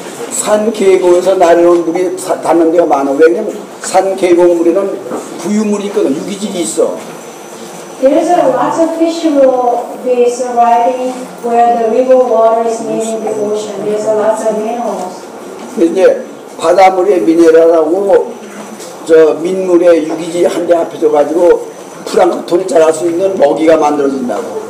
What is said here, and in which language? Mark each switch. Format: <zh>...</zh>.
<ko>산 계곡에서 나려온 물이 닿는 데가 많아. 왜냐면 산 계곡 물에는 부유물이 있거든. 유기질이 있어.</ko> <en>There's a lots of fish will be surviving where the river water is meeting the ocean. There's a lots of minerals.</en> <ko>이제 바닷물에 미네랄하고 저 민물에 유기질 한 대 합해져 가지고 플랑크톤이 자랄 수 있는 먹이가 만들어진다고.</ko>